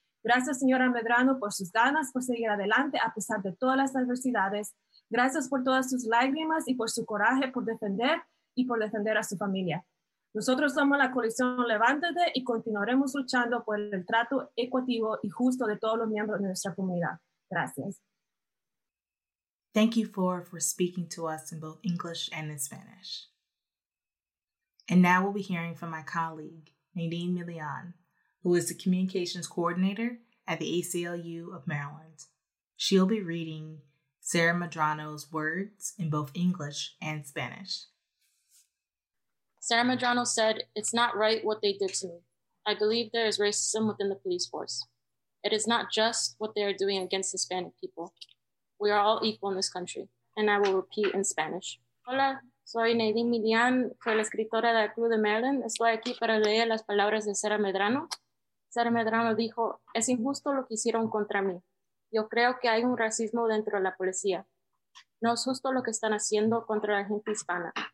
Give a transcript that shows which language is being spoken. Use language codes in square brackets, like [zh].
[es] Gracias, señora Medrano, por sus ganas por seguir adelante a pesar de todas las adversidades. Gracias por todas sus lágrimas y por su coraje por defender y por defender a su familia. Nosotros somos la coalición Levántate y continuaremos luchando por el trato equitativo y justo de todos los miembros de nuestra comunidad. Gracias. [en] Thank you for speaking to us in both English and in Spanish. And now we'll be hearing from my colleague, Nadine Milian, who is the communications coordinator at the ACLU of Maryland. She'll be reading Sarah Medrano's words in both English and Spanish. Sarah Medrano said, "It's not right what they did to me. I believe there is racism within the police force. It is not just what they are doing against Hispanic people. We are all equal in this country." And I will repeat in Spanish. [es] Hola, soy Nadine Milian, soy la escritora del Club de Maryland. Estoy aquí para leer las palabras de Sarah Medrano. Sarah Medrano dijo, "Es injusto lo que hicieron contra mí. Yo creo que hay un racismo dentro de la policía. No es justo lo que están haciendo contra la gente hispana.